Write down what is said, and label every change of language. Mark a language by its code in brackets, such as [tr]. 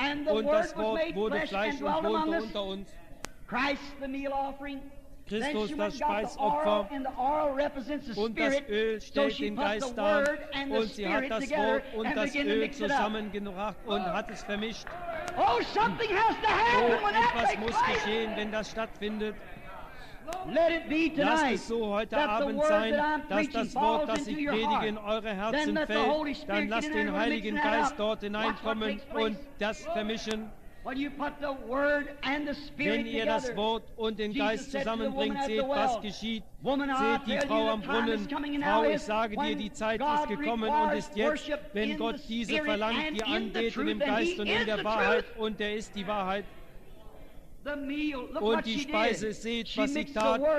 [de] Und das Wort wurde Fleisch und wohnte unter uns. [en] Christ, the meal offering. [de] Christus, das Speisopfer. [en] And the oil represents the spirit. [de] Und das Öl stellt den Geist dar. Und sie hat das Wort und das Öl zusammengebracht und hat es vermischt. [en] Oh, something has to happen when that takes place. [de] Muss geschehen, wenn das stattfindet. [en] Let it be tonight. [de] Lasst es so heute Abend sein, dass das Wort, das ich predige, in eure Herzen fällt. Dann lasst den Heiligen Geist dort hineinkommen und das vermischen. [en] When you put the word and the spirit [de] wenn ihr das Wort und den Geist zusammenbringt, seht, was geschieht. Seht die Frau am Brunnen. Frau, ich sage dir, die Zeit ist gekommen und ist jetzt, wenn Gott diese verlangt, die anbetet im Geist und in der Wahrheit. Und er ist die Wahrheit. Und die Speise, seht, was sie tat.